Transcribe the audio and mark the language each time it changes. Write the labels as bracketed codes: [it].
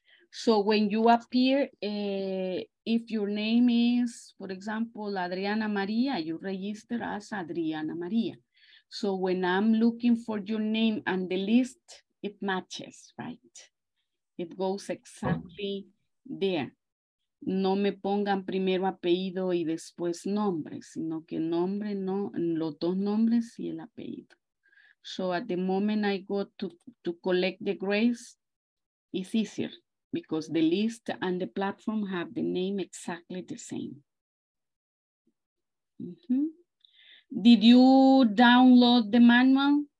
[en] So when you appear, if your name is, for example, Adriana Maria, you register as Adriana Maria. So when I'm looking for your name and the list, it matches, right? It goes exactly there. [es] No me pongan primero apellido y después nombre, sino que nombre, no, los dos nombres y el apellido. [en] So at the moment I go to collect the grades, it's easier because the list and the platform have the name exactly the same. Mm-hmm. Did you download the manual?